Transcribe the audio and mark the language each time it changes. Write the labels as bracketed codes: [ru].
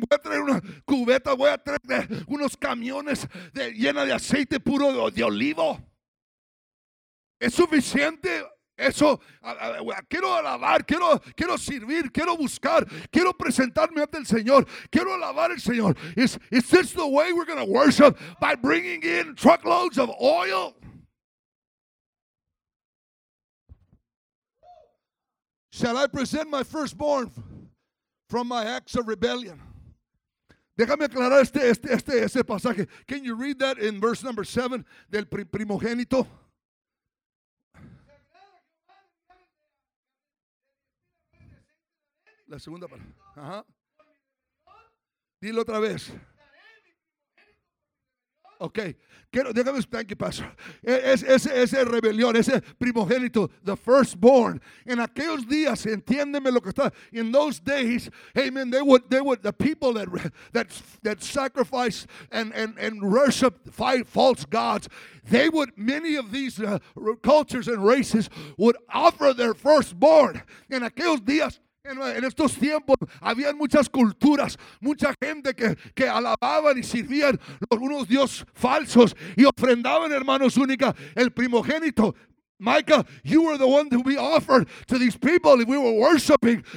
[es] Voy a traer una cubeta, voy a traer unos camiones llena de aceite puro de olivo. ¿Es suficiente eso? Quiero alabar, quiero servir, quiero buscar, quiero presentarme ante el Señor, quiero alabar al Señor. [en] Is this the way we're going to worship? By bringing in truckloads of oil? Shall I present my firstborn from my acts of rebellion? [es] Déjame aclarar ese pasaje. [en] Can you read that in verse number 7 [es] del primogénito? La segunda palabra. Ajá. Dilo otra vez. Ok. Quiero, déjame explicar qué pasa. Ese rebelión, ese primogénito, [en] the firstborn. [es] En aquellos días, entiéndeme lo que está. [en] In those days, amen, they would the people that sacrifice and worship false gods, they would, many of these cultures and races would offer their firstborn. [es] En aquellos días, en estos tiempos, habían muchas culturas, mucha gente que alababan y servían los unos dios falsos y ofrendaban, hermanos, única, el primogénito. [en] Micah, you were the one to be offered to these people if we were worshiping.